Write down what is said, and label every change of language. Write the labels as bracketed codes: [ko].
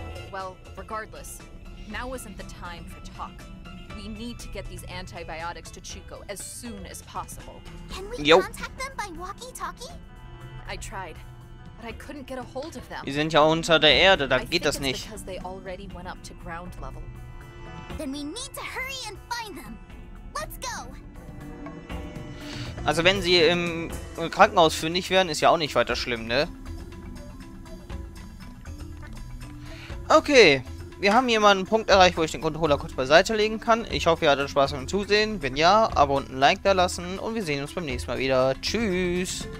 [en] Well, regardless, now isn't the time for talk. We need to get these antibiotics to Chico as soon as possible. Can we contact them by walkie-talkie? I tried. But I couldn't get a hold of them. [de] Die sind ja unter der Erde, da geht das nicht. [en] Because they already went up to ground level. Then we need to hurry and find them. Let's go. [de] Also wenn sie im Krankenhaus fündig werden, ist ja auch nicht weiter schlimm, ne? Okay, wir haben hier mal einen Punkt erreicht, wo ich den Controller kurz beiseite legen kann. Ich hoffe, ihr hattet Spaß beim Zusehen. Wenn ja, Abo und ein Like da lassen und wir sehen uns beim nächsten Mal wieder. Tschüss.